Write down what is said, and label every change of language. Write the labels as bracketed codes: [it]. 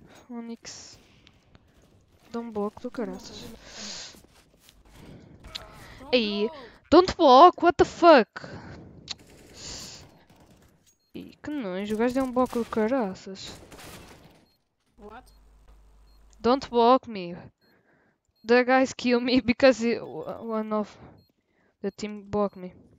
[en] Onyx. Don't block [pt] do caraças. [en] Ei, don't block, what the fuck. [pt] Ih, que nojo, o gajo deu um bloco do caraças. [en] What? Don't block me. The guys kill me because one of the team blocked me.